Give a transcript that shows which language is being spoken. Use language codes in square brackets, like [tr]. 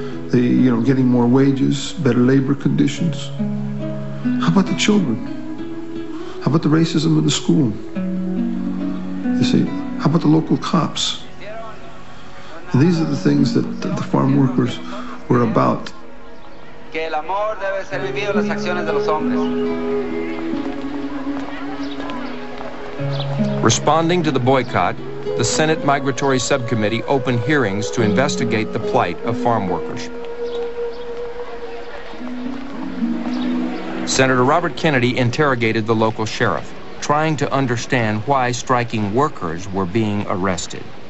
[en] The, you know, getting more wages, better labor conditions. How about the children? How about the racism in the school? You see, how about the local cops? And these are the things that the farm workers were about. [es] Que el amor debe ser vivido en las acciones de los hombres. [en] Responding to the boycott, the Senate Migratory Subcommittee opened hearings to investigate the plight of farm workers. Senator Robert Kennedy interrogated the local sheriff, trying to understand why striking workers were being arrested.